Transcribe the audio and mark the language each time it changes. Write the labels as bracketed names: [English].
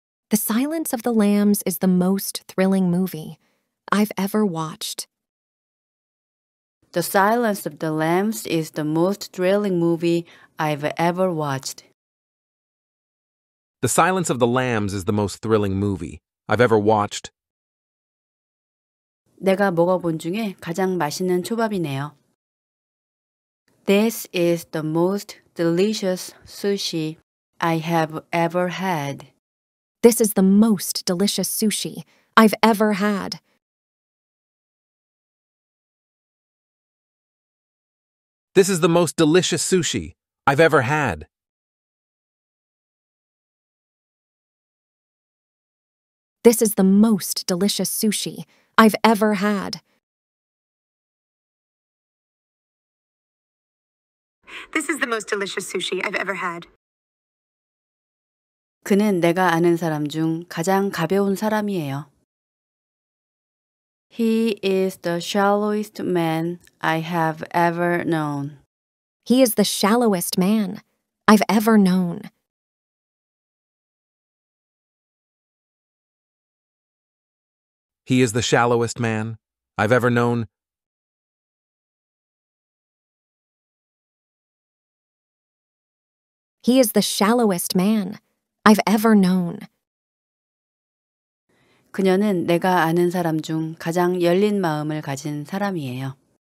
[English] The Silence of the Lambs is the most thrilling movie I've ever watched. The Silence of the Lambs is the most thrilling movie I've ever watched. The Silence of the Lambs is the most thrilling movie I've ever watched. [Korean] 내가 먹어본 중에 가장 맛있는 초밥이네요. [English] This is the most delicious sushi I have ever had. This is the most delicious sushi I've ever had. This is the most delicious sushi I've ever had. This is the most delicious sushi I've ever had. This is the most delicious sushi I've ever had. [Korean] 그는 내가 아는 사람 중 가장 가벼운 사람이에요. [English] He is the shallowest man I have ever known. He is the shallowest man I've ever known. He is the shallowest man I've ever known. He is the shallowest man I've ever known. [Korean] 그녀는 내가 아는 사람 중 가장 열린 마음을 가진 사람이에요.